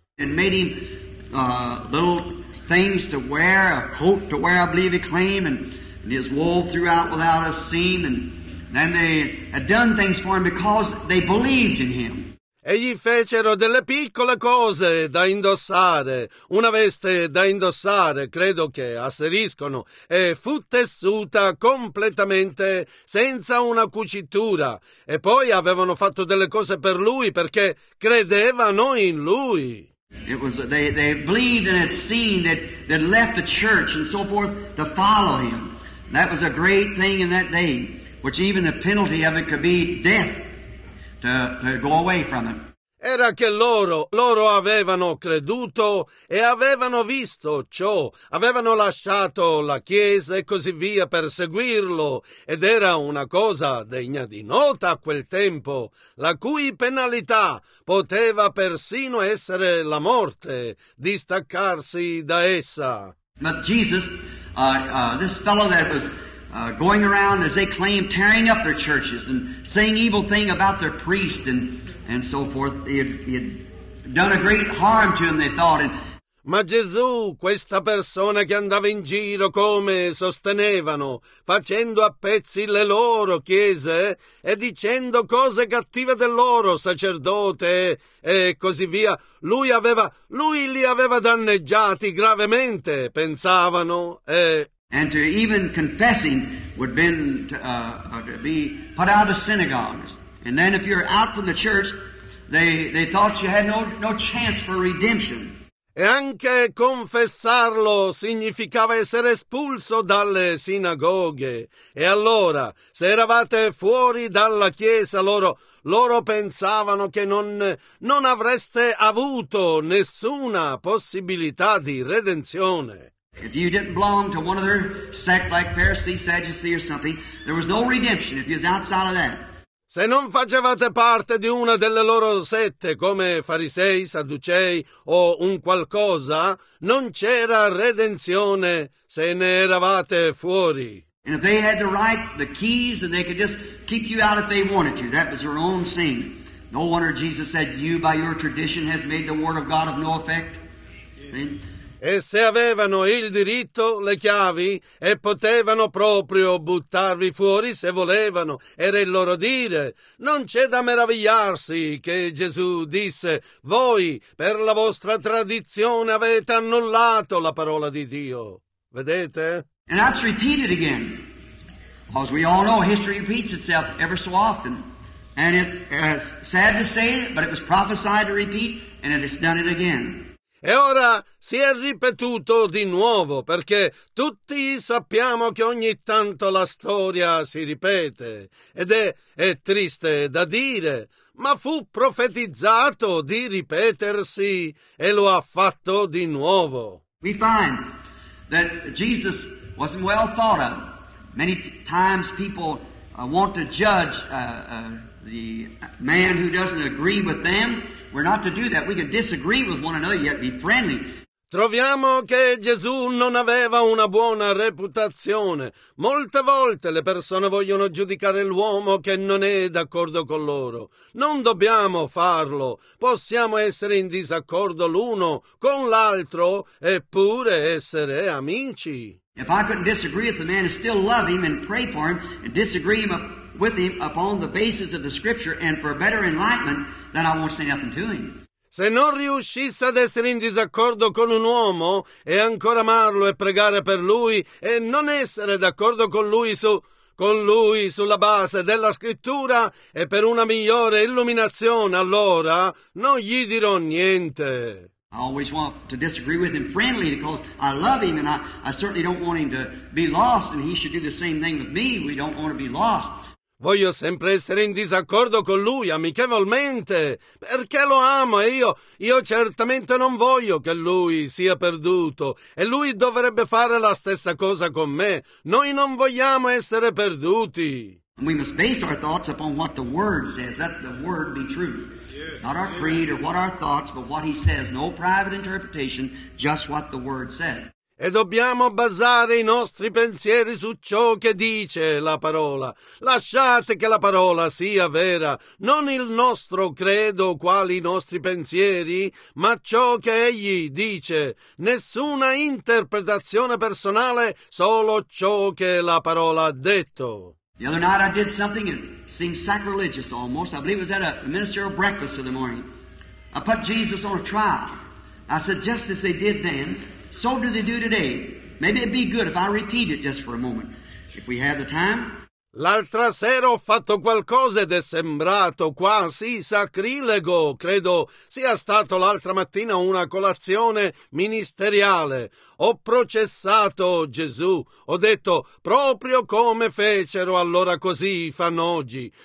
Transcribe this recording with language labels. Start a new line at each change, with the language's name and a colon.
English: And made him little things to wear, a coat to wear, I believe he claimed, and his wool throughout without a seam, and then they had done things for him because they believed in him.
Italian: E gli fecero delle piccole cose da indossare, una veste da indossare, credo che asseriscono, e fu tessuta completamente senza una cucitura. E poi avevano fatto delle cose per lui perché credevano in lui.
English: It was they believed and had seen that left the church and so forth to follow him. That was a great thing in that day, which even the penalty of it could be death to go away from it.
Italian: Era che loro avevano creduto e avevano visto ciò, avevano lasciato la chiesa e così via per seguirlo, ed era una cosa degna di nota a quel tempo, la cui penalità poteva persino essere la morte, distaccarsi da essa.
English: But Jesus, this fellow that was going around, as they claimed, tearing up their churches and saying evil thing about their priest and so forth, he had done a great harm to him, they thought.
Italian: Ma Gesù, questa persona che andava in giro, come sostenevano, facendo a pezzi le loro chiese e dicendo cose cattive del loro sacerdote e così via, lui li aveva danneggiati gravemente, pensavano.
English: And to even confessing would been to be put out of synagogues. And then if you're out from the church, they thought you had no chance for redemption.
Italian: E anche confessarlo significava essere espulso dalle sinagoghe. E allora, se eravate fuori dalla chiesa, loro pensavano che non avreste avuto nessuna possibilità di redenzione.
English: If you didn't belong to one of their sect, like Pharisee, Sadducee, or something, there was no redemption if you was outside of that.
Italian: Se non facevate parte di una delle loro sette, come farisei, sadducei o un qualcosa, non c'era redenzione se ne eravate fuori.
English: And if they had the right, the keys, and they could just keep you out if they wanted to, that was their own sin. No wonder Jesus said, "You, by your tradition, has made the word of God of no effect."
Italian: E se avevano il diritto, le chiavi, e potevano proprio buttarvi fuori se volevano, era il loro dire. Non c'è da meravigliarsi che Gesù disse, voi per la vostra tradizione avete annullato la parola di Dio. Vedete?
English: And that's repeated again. Because we all know history repeats itself ever so often. And it's sad to say it, but it was prophesied to repeat, and it has done it again.
Italian: E ora si è ripetuto di nuovo, perché tutti sappiamo che ogni tanto la storia si ripete, ed è triste da dire, ma fu profetizzato di ripetersi, e lo ha fatto di nuovo.
English: We find that Jesus wasn't well thought of. Many times people want to judge the man who doesn't agree with them. We're not to do that. We can disagree with one another, yet be friendly.
Italian: Troviamo che Gesù non aveva una buona reputazione. Molte volte le persone vogliono giudicare l'uomo che non è d'accordo con loro. Non dobbiamo farlo. Possiamo essere in disaccordo l'uno con l'altro, eppure essere amici.
English: If I couldn't disagree with the man and still love him and pray for him and disagree with him upon the basis of the scripture and for better enlightenment, then I won't say nothing to him.
Italian: Se non riuscisse ad essere in disaccordo con un uomo e ancora amarlo e pregare per lui e non essere d'accordo con lui sulla base della scrittura e per una migliore illuminazione, allora non gli dirò niente.
English: I always want to disagree with him friendly because I love him and I certainly don't want him to be lost, and he should do the same thing with me. We don't want to be lost.
Italian: Voglio sempre essere in disaccordo con lui amichevolmente, perché lo amo e io certamente non voglio che lui sia perduto, e lui dovrebbe fare la stessa cosa con me. Noi non vogliamo essere perduti.
English: We must base our thoughts upon what the Word says, that the Word be true. Not our creed or what our thoughts, but what He says. No private interpretation, just what the Word said.
Italian: E dobbiamo basare i nostri pensieri su ciò che dice la parola. Lasciate che la parola sia vera, non il nostro credo, quali i nostri pensieri, ma ciò che egli dice. Nessuna interpretazione personale, solo ciò che la parola ha detto.
English: The other night I did something that seemed sacrilegious almost. I believe it was at a ministerial breakfast in the morning. I put Jesus on a trial. I said, just as they did then, so do they do today. Maybe it'd be good if I repeat it just for a moment, if we have the time.
Italian: L'altra sera ho fatto qualcosa ed è sembrato quasi sacrilego. Credo sia stato l'altra mattina una colazione ministeriale. Ho processato Gesù. Ho detto proprio come fecero allora, così fanno oggi.